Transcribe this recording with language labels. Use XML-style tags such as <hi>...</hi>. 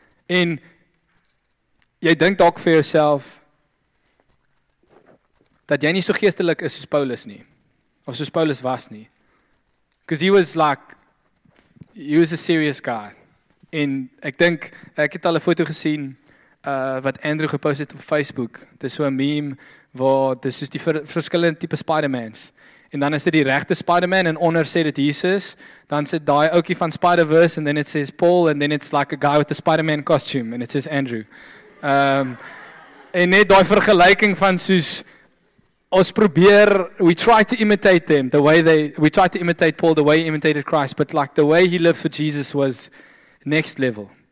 <af>En jy dink dalk vir jouself dat jy nie so geestelik is soos Paulus nie. Of soos Paulus was nie.</af> <en>Because he was like, he was a serious guy.</en> <af>En ek dink, ek het al 'n foto gesien wat Andrew gepost het op Facebook. Dis so 'n meme waar dis soos die verskillende tipe Spider-Mans. En dan is dit die regte Spider-Man en onder sê dit Jesus. Dan sit daai ouetjie van Spider-Verse</af> <en>and then it says Paul and then it's like a guy with a Spider-Man costume and it says Andrew.</en> <af>En net daai vergelyking van soos ons probeer,</af> <en>we try to imitate Paul the way he imitated Christ, but like the way he lived for Jesus was next level.</en>